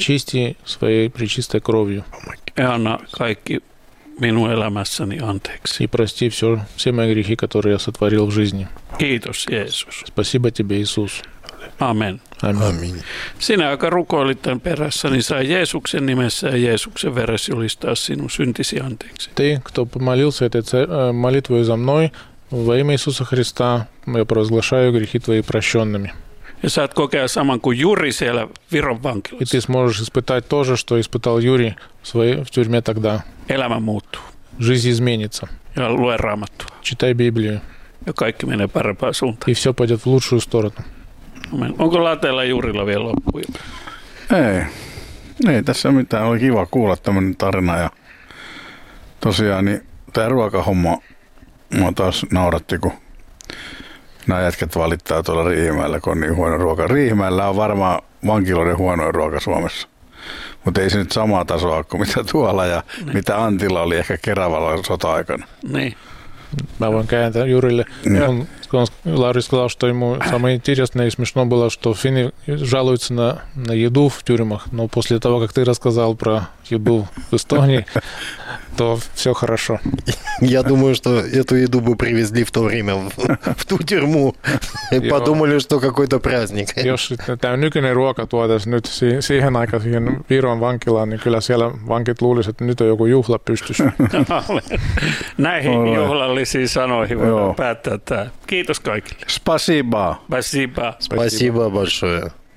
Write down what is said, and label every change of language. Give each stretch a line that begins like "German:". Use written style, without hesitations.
Russian: Очисти своей пречистой кровью.
Finnish: Ja anna kaikki minun elämässäni anteeksi.
Russian: И прости все мои грехи, которые я сотворил в жизни.
Finnish: Kiitos, Jeesus.
Russian: Спасибо тебе, Иисус. Amen. Amen.
Finnish: Sinä, joka rukoilit tämän perässä, niin sai Jeesuksen nimessä ja Jeesuksen veressä julistaa sinun syntisi anteeksi.
Russian: Ты, кто помолился этой молитвой за мной, во имя Иисуса Христа, я провозглашаю грехи твои прощенными.
Finnish: Ja saat kokea saman kuin Juri siellä Viron vankilassa.
Russian: И ты сможешь испытать то же, что испытал Юрий в своей в тюрьме тогда.
Finnish: Elämä muuttuu.
Russian: Жизнь изменится.
Finnish: Ja lue Raamattu.
Russian: Читай Библию.
Finnish: Ja kaikki menee parempaan suuntaan.
Russian: И все пойдет в лучшую сторону.
Finnish: Onko Latella Jurilla vielä loppuja? Ei. Ei tässä mitään. Oli kiva kuulla tämmöinen tarina. Ja tosiaan niin tämä ruokahomma mua taas nauratti, kun nämä jätkät valittaa tuolla Riihimäellä, kun on niin huono ruoka. Riihimäellä on varmaan vankiloiden huonoin ruoka Suomessa. Mutta ei se nyt samaa tasoa kuin mitä tuolla ja niin. Mitä Antilla oli ehkä Keravalla sota-aikana. Niin. Mä voin kääntää Jurille. Niin. On, kun
Russian: Lauri сказал, что ему самое интересное и смешно было, что финны жалуются на еду в тюрьмах, но после того, как ты рассказал про еду в Эстонии, то все хорошо. Я думаю, что эту еду бы привезли в то время в ту тюрьму и подумали, что какой-то праздник.
Finnish: Jos tämä nykyinen ruoka tuotaisiin nyt siihen aikaan, siihen Viron vankilaan, niin kyllä siellä vankit luulisivat, että nyt on joku juhla pystyssä. Näihin juhlallisiin sanoihin voidaan päättää tämä. Kiitos kaikille.
Russian: Спасибо. Спасибо. Спасибо большое.